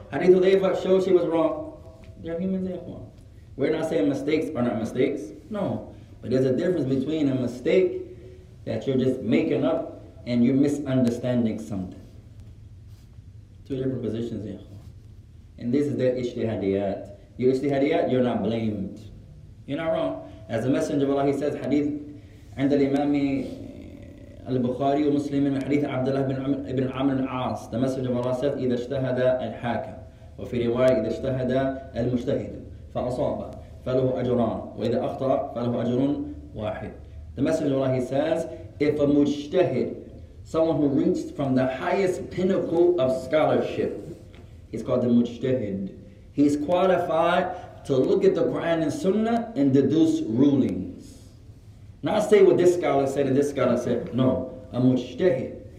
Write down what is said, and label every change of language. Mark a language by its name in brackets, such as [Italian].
[English] Hadith Hudayfa showed she was wrong. They're humans, they're wrong. We're not saying mistakes are not mistakes. No. But there's a difference between a mistake that you're just making up and you're misunderstanding something. Two different positions, yeah. And this is the ijtihadiyat. You ijtihadiyat, you're not blamed. You're not wrong. As the Messenger of Allah, he says, hadith [Arabic] عند الإمام البخاري ومسلم من حديث عبد الله بن عمرو العاص. [English] The Messenger of Allah said, [Arabic] إذا اجتهد الحاكم وفي رواية إذا اجتهد المجتهد فأصاب فله أجران وإذا أخطأ فله أجر واحد. [English] The Messenger of Allah, he says, if a mujtahid, someone who reached from the highest pinnacle of scholarship, he's called the mujtahid, he's qualified to look at the Quran and Sunnah and deduce rulings. Not say what this scholar said and this scholar said. No, a mujtahid.